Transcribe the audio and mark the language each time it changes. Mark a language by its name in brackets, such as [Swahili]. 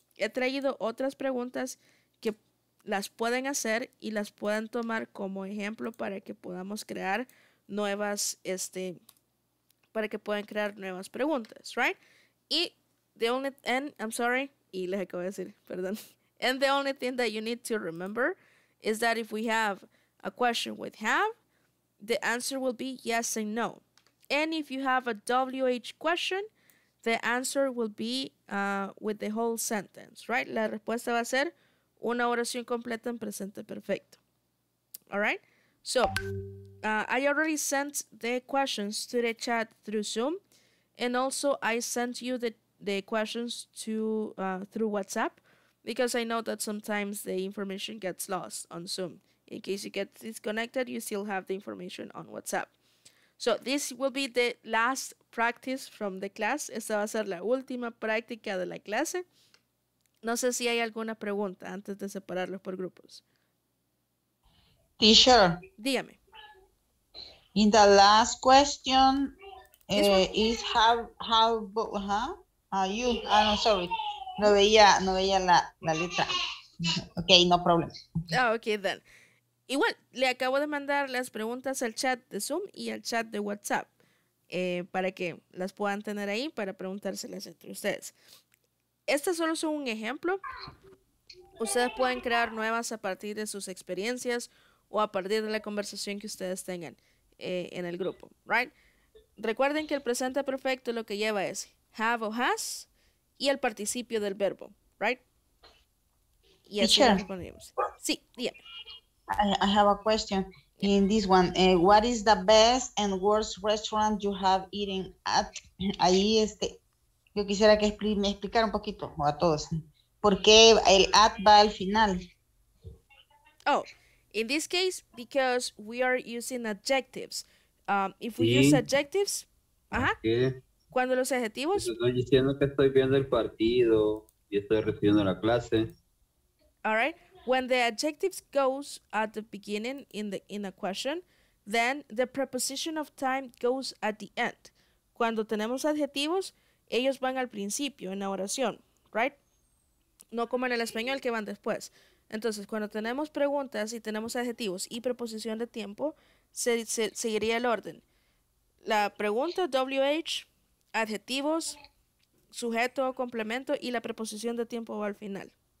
[Spanish] he traído otras preguntas que las pueden hacer y las pueden tomar como ejemplo para que podamos crear nuevas, para que puedan crear nuevas preguntas, right? Y [English] the only, and I'm sorry, [Spanish] y les acabo de decir, perdón. [English] And the only thing that you need to remember is that if we have a question with have, the answer will be yes and no. And if you have a WH question, the answer will be with the whole sentence, right? [Spanish] La respuesta va a ser una oración completa en presente perfecto. [English] All right? So, I already sent the questions to the chat through Zoom. And also, I sent you the questions to through WhatsApp, because I know that sometimes the information gets lost on Zoom. In case you get disconnected, you still have the information on WhatsApp. So this will be the last practice from the class. [Spanish] Esta va a ser la última práctica de la clase. No sé si hay alguna pregunta antes de separarlos por grupos. [English] Teacher. [Spanish] Dígame. [English] In the last question, is how huh? You, I'm sorry. [Spanish] No veía la letra. [English] Okay, no problem. Oh, okay, then. [Spanish] Igual, le acabo de mandar las preguntas al chat de Zoom y al chat de WhatsApp para que las puedan tener ahí para preguntárselas entre ustedes. Este solo es un ejemplo. Ustedes pueden crear nuevas a partir de sus experiencias o a partir de la conversación que ustedes tengan en el grupo, right? Recuerden que el presente perfecto lo que lleva es have o has y el participio del verbo, right? Y así respondimos. Sí, dígame. [English] I have a question in this one. What is the best and worst restaurant you have eaten at? [Spanish] Ahí, yo quisiera que me explicara un poquito, o a todos, ¿por qué el at va al final? [English] Oh, in this case, because we are using adjectives. If we use adjectives, [Spanish] cuando los adjetivos... Estoy diciendo que estoy viendo el partido y estoy recibiendo la clase. [English] All right. When the adjective goes at the beginning in a question, then the preposition of time goes at the end. [Spanish] Cuando tenemos adjetivos, ellos van al principio en la oración, right? No como en el español que van después. Entonces, cuando tenemos preguntas y tenemos adjetivos y preposición de tiempo, se seguiría el orden. La pregunta, WH, adjetivos, sujeto o complemento y la preposición de tiempo va al final.